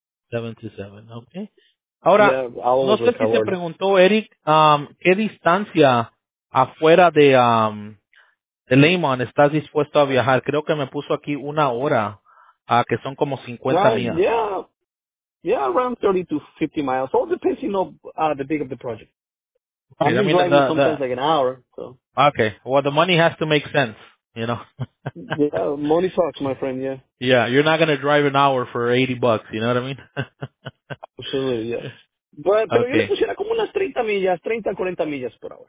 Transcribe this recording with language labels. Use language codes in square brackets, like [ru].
[en] 7 to 7, okay. [es] Ahora, yeah, no sé si se preguntó, Eric, ¿qué distancia afuera de Lehman estás dispuesto a viajar? Creo que me puso aquí una hora, que son como 50 millas. [en] Yeah, around 30 to 50 miles. All depends, you know, the big of the project. Okay, I'm driving sometimes like an hour. So. Okay, well, the money has to make sense. You know. Yeah, money talks, my friend. Yeah. Yeah, you're not gonna drive an hour for $80. You know what I mean? Absolutely. Yeah. But okay. [es] Yo le pusiera como unas 30 millas, 30, 40 millas por hora.